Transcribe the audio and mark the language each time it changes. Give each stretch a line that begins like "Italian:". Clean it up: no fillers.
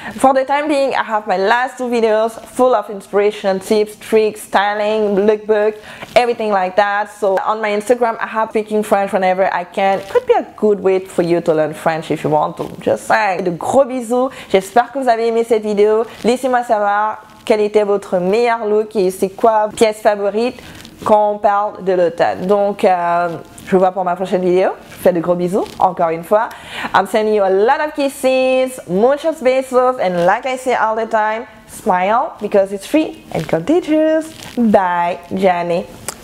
English: For the time being, I have my last two videos full of inspiration, tips, tricks, styling, lookbook, everything like that. So on my Instagram, I have speaking French whenever I can. Could be a good way for you to learn French if you want to. Just saying.
French: De gros bisous. J'espère que vous avez aimé cette vidéo. Laissez-moi savoir. Quel était votre meilleur look et c'est quoi pièce favorite quand on parle de l'automne. Donc, je vous vois pour ma prochaine vidéo. Je vous fais de gros bisous, encore une fois.
English: I'm sending you a lot of kisses,
Spanish: muchos besos,
English: and like I say all the time, smile because it's free and contagious. Bye, Jenny.